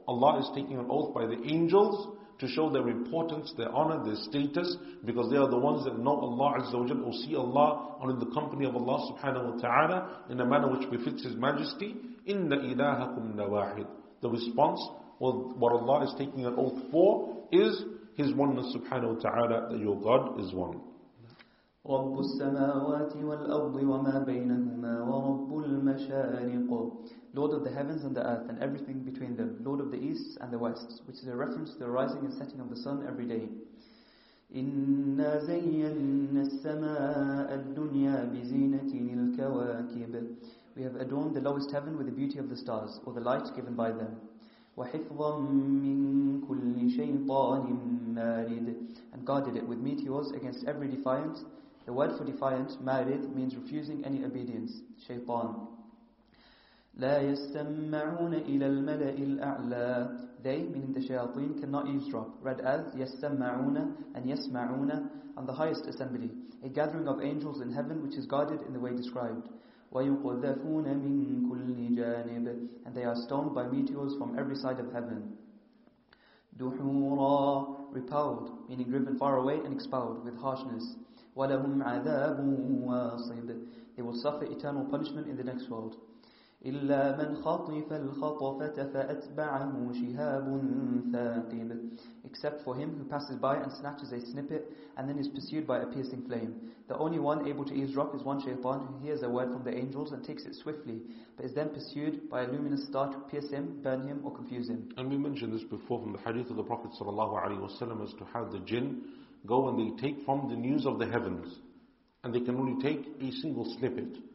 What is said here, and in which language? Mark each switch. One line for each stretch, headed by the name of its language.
English: Allah is taking an oath by the angels to show their importance, their honor, their status, because they are the ones that know Allah Azza wa Jalla, or see Allah, or in the company of Allah subhanahu wa ta'ala, in a manner which befits His majesty.
Arabic: Inna ilahakum lawahid.
English: The response, what Allah is taking an oath for, is His oneness subhanahu wa ta'ala, that your God is one.
Arabic: رب السماوات والأرض وما بينهما ورب المشارق.
English: Lord of the heavens and the earth and everything between them. Lord of the east and the west, which is a reference to the rising and setting of the sun every day.
Arabic: إنا زينا السماء الدنيا بزينة الكواكب.
English: We have adorned the lowest heaven with the beauty of the stars or the light given by them.
Arabic: وحفظا من كل شيطان مارد.
English: And guarded it with meteors against every defiant. The word for defiant, marid, means refusing any obedience, shaytan.
Arabic: لا يستمعون إلى الملأ الأعلى.
English: They, meaning the shayateen, cannot eavesdrop. Read as يستمعون and يسمعون on the highest assembly, a gathering of angels in heaven which is guarded in the way described.
Arabic: ويقذفون من كل جانب.
English: And they are stoned by meteors from every side of heaven. دحورا, repelled, meaning driven far away and expelled with harshness.
Arabic: وَلَهُمْ عَذَابٌ وَاصِبٌ,
English: they will suffer eternal punishment in the next world.
Arabic: إلا من خطف الخطفة فأتبعه شهاب ثاقب.
English: Except for him who passes by and snatches a snippet and then is pursued by a piercing flame. The only one able to eavesdrop is one shaitan who hears a word from the angels and takes it swiftly, but is then pursued by a luminous star to pierce him, burn him, or confuse him. And we mentioned this before from the hadith of the Prophet sallallahu alaihi wasallam as to how the jinn go and they take from the news of the heavens, and they can only take a single snippet.